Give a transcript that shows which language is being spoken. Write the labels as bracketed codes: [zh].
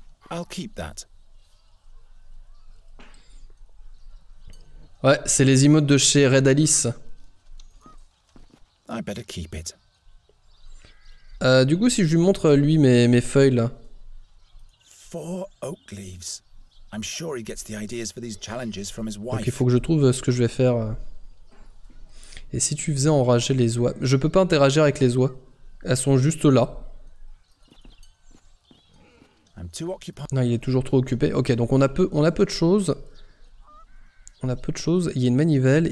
[en] I'll keep that. [fr] Ouais, c'est les emotes de chez Red Alice. [en] I better keep it. [fr] Du coup, si je lui montre lui mes feuilles là. [en] Four oak leaves. I'm sure he gets the ideas for these challenges from his wife. [fr] Donc il faut que je trouve ce que je vais faire. Et si tu faisais enrager les oies? Je peux pas interagir avec les oies. Elles sont juste là. [en] I'm too occupied. [fr] Non, il est toujours trop occupé. Ok, donc on a peu de choses. On a peu de choses. Il y a une manivelle.